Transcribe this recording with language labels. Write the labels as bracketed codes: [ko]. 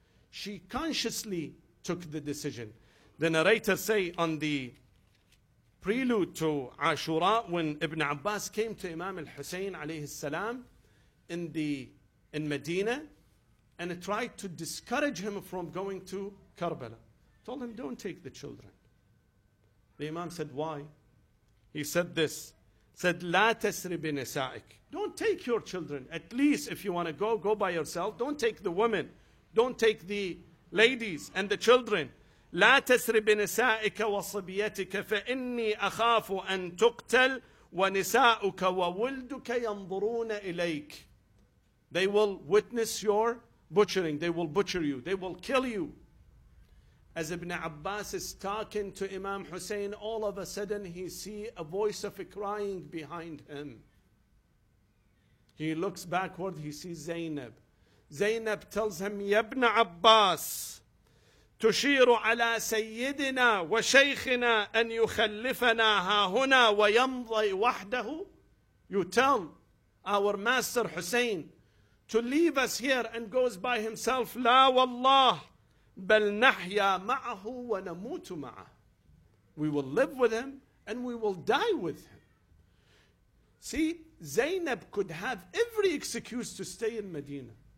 [en] She consciously took the decision. The narrator say on the prelude to Ashura, when Ibn Abbas came to Imam al-Hussein alayhi salam in Medina and tried to discourage him from going to Karbala. Told him, don't take the children. The Imam said, why? He said this. Said, [ar] لا تسرب نسائك. [en] Don't take your children. At least if you want to go, go by yourself. Don't take the women. Don't take the ladies and the children. [ar] لا تسرب نسائك وصبيتك فإني أخاف أن تقتل ونساؤك وولدك ينظرون إليك. [en] They will witness your butchering. They will butcher you. They will kill you. As Ibn Abbas is talking to Imam Hussein, all of a sudden he sees a voice of a crying behind him. He looks backward, he sees Zainab. Zainab tells him, Ya Ibn Abbas, [ar] تشير على سيدنا وشيخنا أن يخلفنا هاهنا ويمضي وحده. [en] You tell our master Hussein to leave us here and goes by himself. [ar] لا والله. بَلْ نَحْيَا مَعَهُ وَنَمُوتُ مَعَهُ. [en] We will live with him and we will die with him. See, Zainab could have every excuse to stay in Medina.